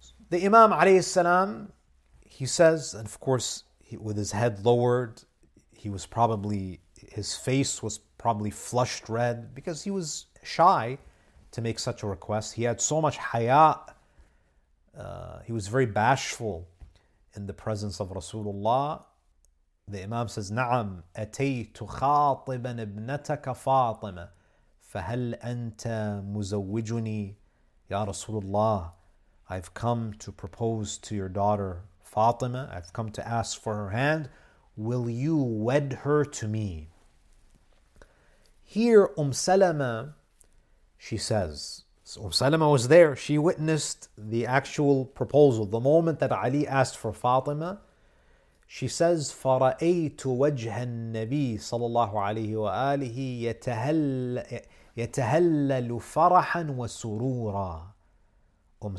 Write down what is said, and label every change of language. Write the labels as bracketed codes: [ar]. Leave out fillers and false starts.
[en] The Imam alayhi salam, he says, and of course, with his head lowered, his face was probably flushed red because he was shy to make such a request. He had so much haya. He was very bashful in the presence of Rasulullah. The Imam says, [ar] نعم أتيت خاطبا ابنتك فاطمة فهل أنت مزوجني يا رسول الله. [en] I've come to propose to your daughter Fatima. I've come to ask for her hand. Will you wed her to me? Here, Salama, she says, so Salama was there. She witnessed the actual proposal. The moment that Ali asked for Fatima, she says, [ar] فَرَأَيْتُ وَجْهَ النَّبِيِّ صَلَى اللَّهُ عَلَيْهِ وَآلِهِ يَتَهَلَّلُ فَرَحًا وَسُرُورًا.